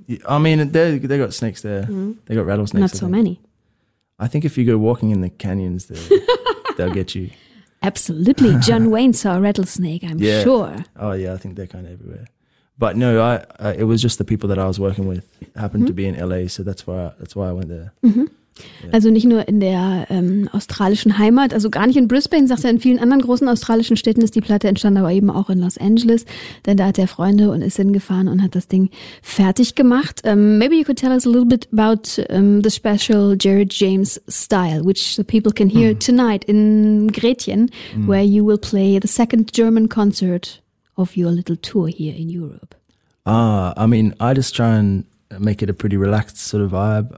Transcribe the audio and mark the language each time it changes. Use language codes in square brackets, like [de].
[en] I mean, they got snakes there. Mm. They got rattlesnakes. Not so many. I think if you go walking in the canyons, they'll get you. Absolutely. John Wayne saw a rattlesnake, I'm sure. Oh, yeah. I think they're kind of everywhere. But no, it was just the people that I was working with happened to be in LA. So that's why I went there. Mm-hmm. [de] Also nicht nur in der australischen Heimat, also gar nicht in Brisbane, sagt er, in vielen anderen großen australischen Städten ist die Platte entstanden, aber eben auch in Los Angeles, denn da hat er Freunde und ist hingefahren und hat das Ding fertig gemacht. [en] Maybe you could tell us a little bit about the special Jared James style, which the people can hear tonight in Gretchen, where you will play the second German concert of your little tour here in Europe. I mean, I just try and make it a pretty relaxed sort of vibe.